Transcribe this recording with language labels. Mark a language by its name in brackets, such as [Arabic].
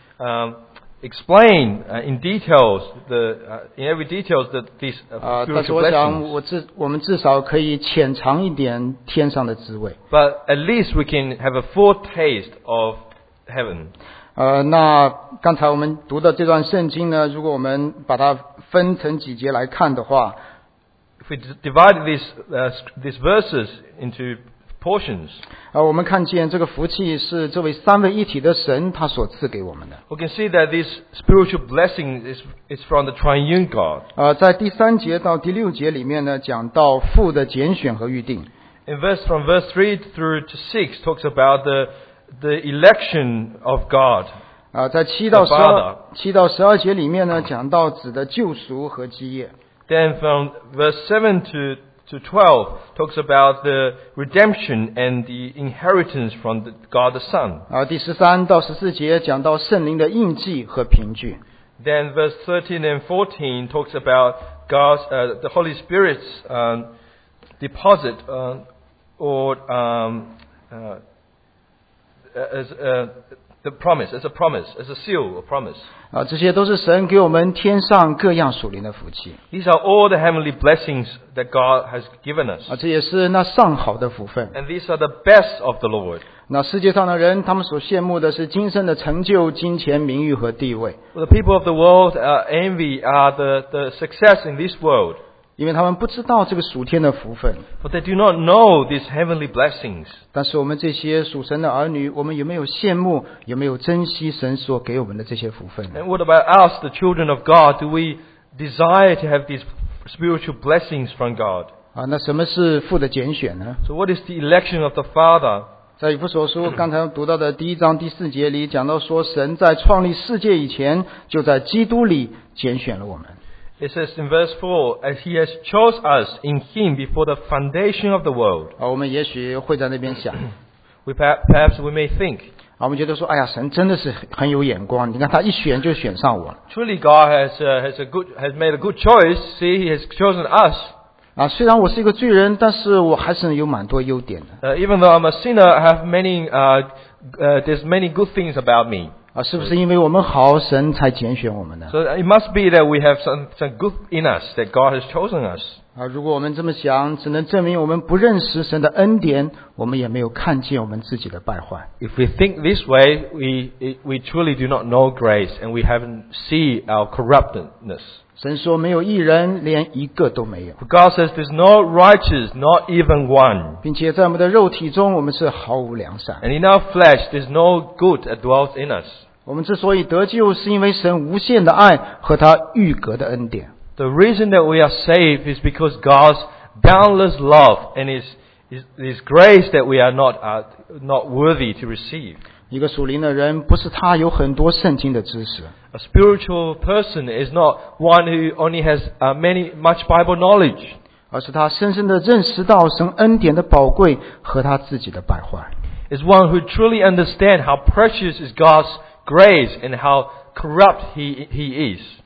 [English] We cannot truly explain in details in every details that these spiritual blessings. [Chinese] 但是我想我们至少可以浅尝一点天上的滋味。 [English] But at least we can have a foretaste of heaven. [Chinese] 那刚才我们读的这段圣经呢，如果我们把它分成几节来看的话。 [English] We divide these verses into portions. [Chinese] 我们看见这个福气是这位三位一体的神他所赐给我们的。 [English] We can see that this spiritual blessing is from the triune God. [Chinese] 在第三节到第六节里面呢，讲到父的拣选和预定。 [English] In verse from verse 3 through to 6 talks about the the election of God. [Chinese] 啊，在七到十二节里面呢，讲到子的救赎和基业。 [English] Then from verse 7 to 12 talks about the redemption and the inheritance from God the Son. [Chinese] 啊，第十三到十四节讲到圣灵的印记和凭据。 [English] Then verse 13 and 14 talks about God's the Holy Spirit's deposit as a promise, as a seal. [Chinese] 啊，这些都是神给我们天上各样属灵的福气。 [English] These are all the heavenly blessings that God has given us. [Chinese] 啊，这也是那上好的福分。 [English] And these are the best of the Lord. [Chinese] 那世界上的人，他们所羡慕的是今生的成就、金钱、名誉和地位。 [English] Well, the people of the world envy the success in this world. [Chinese] 因为他们不知道这个属天的福分。 [English] But they do not know these heavenly blessings. [Chinese] 但是我们这些属神的儿女，我们有没有羡慕，有没有珍惜神所给我们的这些福分？ [English] And what about us, the children of God? Do we desire to have these spiritual blessings from God? [Chinese] 啊，那什么是父的拣选呢？ [English] So what is the election of the Father? [Chinese] 在以弗所书刚才读到的第一章第四节里讲到说，神在创立世界以前就在基督里拣选了我们。 [English] It says in verse 4 as he has chose us in him before the foundation of the world. [Chinese] 我们也许会在那边想， [English] perhaps we may think， [Chinese] 我们觉得说，哎呀，神真的是很有眼光，你看他一选就选上我了。 [English] Truly God has made a good choice. See, he has chosen us. [Chinese] 虽然我是一个罪人，但是我还是有蛮多优点的。 [English] Even though I'm a sinner, I have many, there's many good things about me. [Chinese] 是不是因为我们好，神才拣选我们呢？ [English] So it must be that we have some good in us that God has chosen us. [Chinese] 如果我们这么想，只能证明我们不认识神的恩典，我们也没有看见我们自己的败坏。 [English] If we think this way, we truly do not know grace, and we haven't seen our corruptness. [Chinese] 神说没有义人，连一个都没有。 [English] God says there's no righteous, not even one. [Chinese] 并且在我们的肉体中，我们是毫无良善。 [English] And in our flesh, there's no good that dwells in us. [Chinese] 我们之所以得救，是因为神无限的爱和他预格的恩典。 [English] The reason that we are saved is because God's boundless love and His grace that we are not worthy to receive. [Chinese] 一个属灵的人不是他有很多圣经的知识。 [English] A spiritual person is not one who only has much Bible knowledge. [Chinese] 而是他深深地认识到神恩典的宝贵和他自己的败坏。 [English] Is one who truly understands how precious is God's grace and how corrupt he is.